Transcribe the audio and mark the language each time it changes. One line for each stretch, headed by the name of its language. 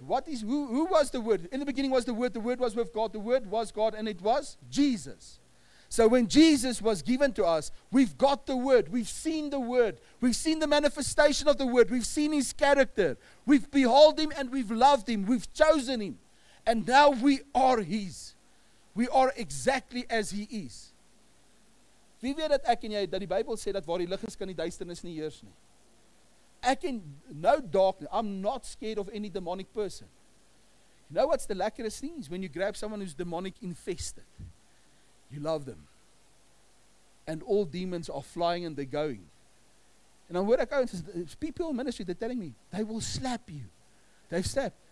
English: What is who was the word? In the beginning was the word was with God, the word was God, and it was Jesus. So when Jesus was given to us, we've got the word, we've seen the word, we've seen the manifestation of the word, we've seen his character, we've beheld him and we've loved him, we've chosen him, and now we are his. We are exactly as he is.
Afrikaans: Wie weet dat ek en jy dat die Bybel sê dat waar die lig is, kan die duisternis nie heers nie.
English: I can, no darkness, I'm not scared of any demonic person. You know what's the lackerest thing is when you grab someone who's demonic infested. You love them. And all demons are flying and they're going. And I'm where I go and says, people in ministry, they're telling me, they will slap you. They've slapped.